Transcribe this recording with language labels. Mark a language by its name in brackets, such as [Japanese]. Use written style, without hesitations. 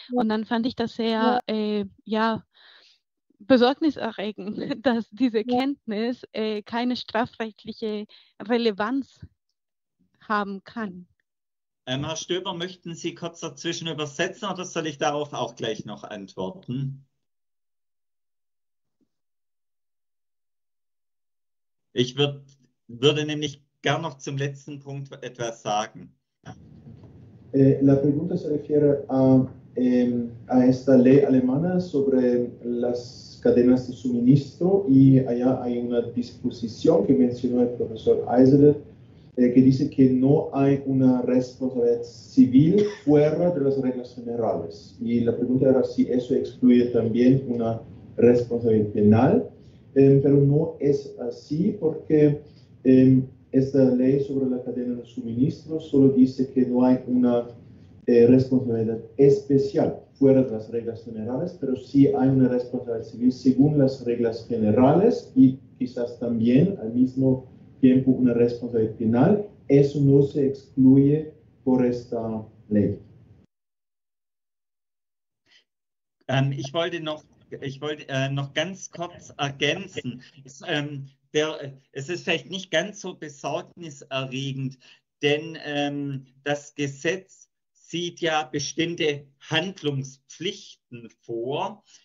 [German] Und dann fand ich das sehr, ja, besorgniserregend, dass diese Kenntnis, keine strafrechtliche Relevanz haben kann. Herr Stöber, möchten Sie kurz dazwischen übersetzen oder soll ich darauf auch gleich noch antworten? Ich würde nämlich gern noch zum letzten Punkt etwas sagen. [Spanish] La pregunta se refiere a esta ley alemana sobre las cadenas de suministro y allá hay una disposición que mencionó el profesor Eisele que dice que no hay una responsabilidad civil fuera de las reglas generales. Y la pregunta era si eso excluye también una responsabilidad penal, pero no es así porque esta ley sobre la cadena de suministro solo dice que no hay una responsabilidad especial fuera de las reglas generales, pero sí hay una responsabilidad civil según las reglas generales y quizás también al mismo tiempo una responsabilidad penal. Eso no se excluye por esta ley. [German] Ich wollte noch ganz kurz ergänzen. Es ist vielleicht nicht ganz so besorgniserregend, denn das Gesetz sieht ja bestimmte Handlungspflichten vor.